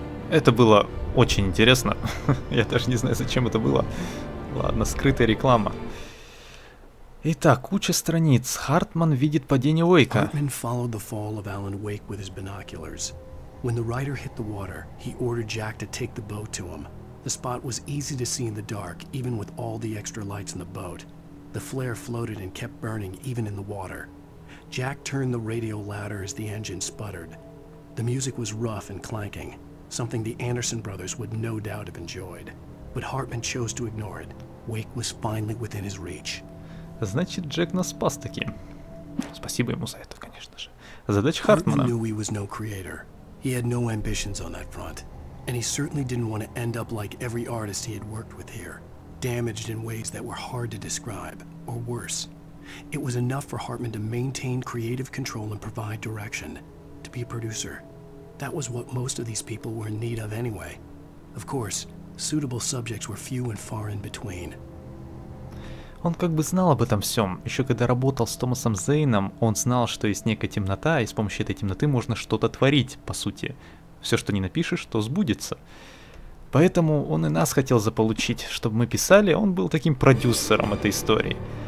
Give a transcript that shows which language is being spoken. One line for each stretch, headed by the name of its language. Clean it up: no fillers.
Russian: Это было очень интересно. Я даже не знаю, зачем это было. Ладно, скрытая реклама. Итак, куча страниц. Хартман видит падение Уэйка.
English: Хартман followed the fall of Alan Wake with his binoculars. When the writer hit the water, he ordered Jack to take the boat to him. The spot was easy to see in the dark, even with all the extra lights in the boat. The flare floated and kept burning, even in the water. Jack turned the radio louder as the engine sputtered. The music was rough and clanking. Something the Anderson brothers would no doubt have enjoyed. But Hartman chose to ignore it. Wake was finally within his reach.
Russian: Значит, Джек нас спас таки. Спасибо ему за это, конечно же. Задача Хартмана.
English: Hartman knew he was no creator. He had no ambitions on that front. And he certainly didn't want to end up like every artist he had worked with here. Damaged in ways that were hard to describe. Or worse. It was enough for Hartman to maintain creative control and provide direction. To be a producer. That was what most of these people were in need of anyway. Of course, suitable subjects were few and far in between.
Russian: Он как бы знал об этом всем. Еще когда работал с Томасом Зейном, он знал, что есть некая темнота, и с помощью этой темноты можно что-то творить, по сути. Все, что не напишешь, то сбудется. Поэтому он и нас хотел заполучить, чтобы мы писали, он был таким продюсером этой истории.